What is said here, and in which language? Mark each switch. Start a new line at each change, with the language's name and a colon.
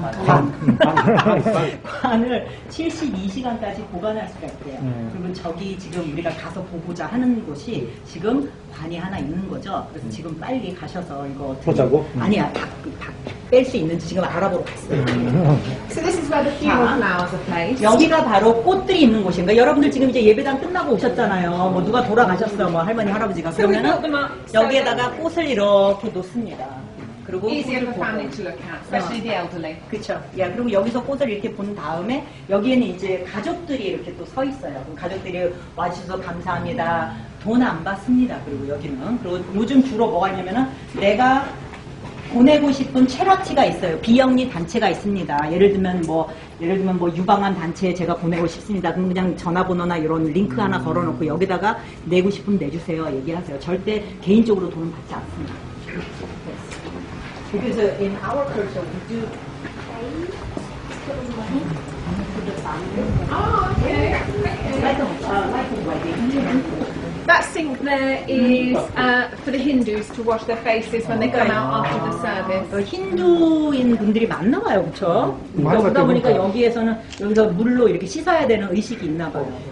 Korean: 맞아요 관을 72시간까지 보관할 수가 있대요 그리고 저기 지금 우리가 가서 보고자 하는 곳이 지금 관이 하나 있는 거죠 그래서 지금 빨리 가셔서 이거 보자고 아니야 뺄 수 있는지 지금 알아보러 갔어요
English: So this is where the funeral flowers are placed
Korean: 여기가 바로 꽃들이 있는 곳인가 여러분들 지금 이제 예배당 끝나고 오셨잖아요 뭐 누가 돌아가셨어요 뭐 할머니 할아버지가 그러면은 여기에다가 꽃을 이렇게 좋습니다. 그리고
English: easier for family to look at, especially the elderly.
Korean: 그렇죠. 야, 그리고 여기서 꽃을 이렇게 본 다음에 여기에는 이제 가족들이 이렇게 또 서 있어요. 그럼 가족들이 와주셔서 감사합니다. 돈 안 받습니다. 그리고 여기는 그리고 요즘 주로 뭐가 있냐면은 내가 보내고 싶은 체라티가 있어요. 비영리 단체가 있습니다. 예를 들면 뭐 유방암 단체에 제가 보내고 싶습니다. 그럼 그냥 전화번호나 이런 링크 하나 걸어놓고 여기다가 내고 싶으면 내주세요. 얘기하세요. 절대 개인적으로 돈은 받지 않습니다.
English: Because in our culture, we do pay some money to the family. Oh, okay. Like a wedding. Mm-hmm. That sink there is for the Hindus to wash their faces when they come out after the service.
Korean: 힌두인 분들이 많나 봐요, 그렇죠? 그러다 보니까 여기에서는 여기서 물로 이렇게 씻어야 되는 의식이 있나 봐요.